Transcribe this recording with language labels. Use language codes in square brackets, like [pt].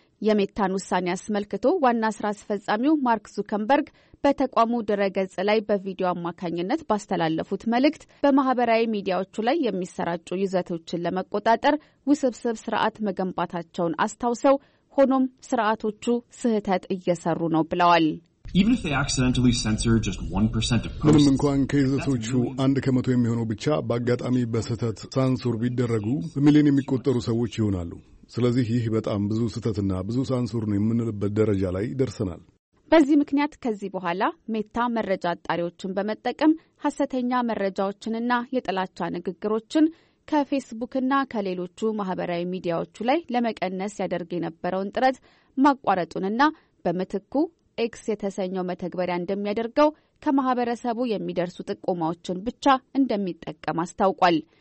[am] የሜታን ውሳኔ አስመልክቶ ዋና ስራ አስፈጻሚው ማርክ ዙከንበርግ በተቋሙ ድረገጽ ላይ በቪዲዮ አማካኝነት ባስተላለፉት መልእክት በማህበራዊ ሚዲያዎቹ ላይ የሚሰራጩ ይዘቶችን ለመቆጣጠር ውስብስብ ስርዓት መገንባታቸውን አስታውሰው ሆኖም ስርዓቶቹ ስህተት እየሰሩ ነው ብለዋል። [en] Even if they accidentally censor just 1% of posts, [am] ምንም እንኳን ከይዘቶቹ 1% የሚሆነው ብቻ በአጋጣሚ በስህተት ሳንሱር ቢደረጉ በሚሊዮን የሚቆጠሩ ሰዎች ይሆናሉ። ስለዚህ ይህ በጣም ብዙ ስህተትና ብዙ ሳንሱር ነው የምንልበት ደረጃ ላይ ደርሰናል። በዚህ ምክንያት ከዚህ በኋላ ሜታ መረጃ አጣሪዎችን በመጠቀም ሐሰተኛ መረጃዎችንና የጥላቻ ንግግሮችን ከፌስቡክና ከሌሎቹ ማህበራዊ ሚዲያዎች ላይ ለመቀነስ ያደርገ የነበረውን ጥረት ማቋረጡንና በመትኩ ኤክስ የተሰኘው መተግበሪያ እንደሚያደርገው ከማህበረሰቡ የሚደርሱ ጥቆማዎችን ብቻ እንደሚጠቀም አስታውቋል።